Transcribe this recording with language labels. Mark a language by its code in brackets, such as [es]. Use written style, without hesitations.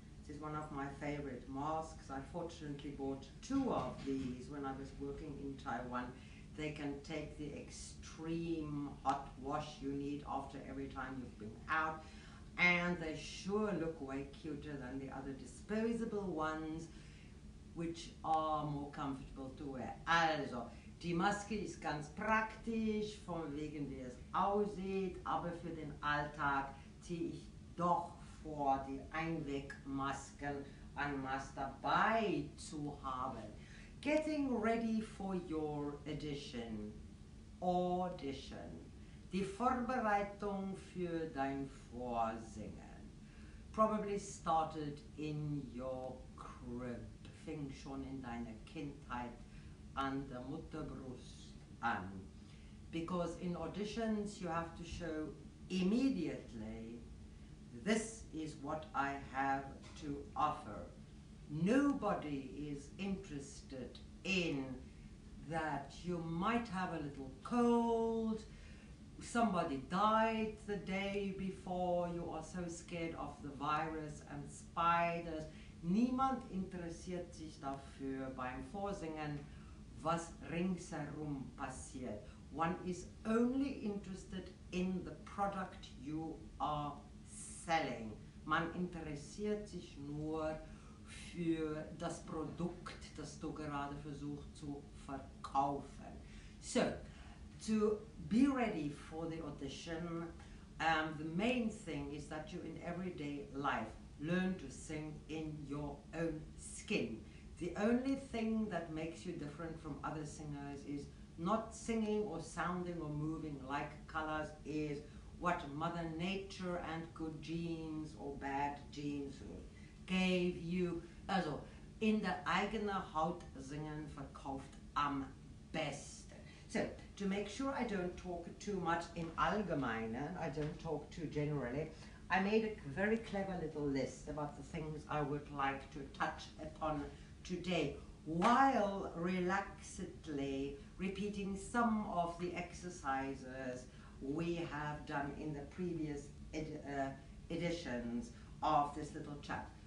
[en] This is one of my favorite masks. I fortunately bought two of these when I was working in Taiwan. They can take the extreme hot wash you need after every time you've been out. And they sure look way cuter than the other disposable ones, which are more comfortable to wear. [de] Also, die Maske ist ganz praktisch, von wegen wie es aussieht, aber für den Alltag ziehe ich doch vor, die Einwegmasken an Mast dabei zu haben. [en] Getting ready for your edition. Audition. [de] Die Vorbereitung für dein Vorsingen. [en] Probably started in your crib. [de] Fing schon in deiner Kindheit an der Mutterbrust an. [en] Because in auditions you have to show immediately, this is what I have to offer. Nobody is interested in that you might have a little cold, somebody died the day before, you are so scared of the virus and spiders. [de] Niemand interessiert sich dafür beim Vorsingen, was ringsherum passiert. [en] One is only interested in the product you are selling. [de] Man interessiert sich nur für das Produkt, das du gerade versuchst zu verkaufen. [en] So, to be ready for the audition, the main thing is that you in everyday life learn to sing in your own skin. The only thing that makes you different from other singers is not singing or sounding or moving like colors is what Mother Nature and good genes or bad genes gave you. [de] Also, in der eigenen Haut singen verkauft am besten. [en] So, to make sure I don't talk too much [de] in allgemeinen, [en] I don't talk too generally, I made a very clever little list about the things I would like to touch upon today, while relaxedly repeating some of the exercises we have done in the previous editions of this little chat.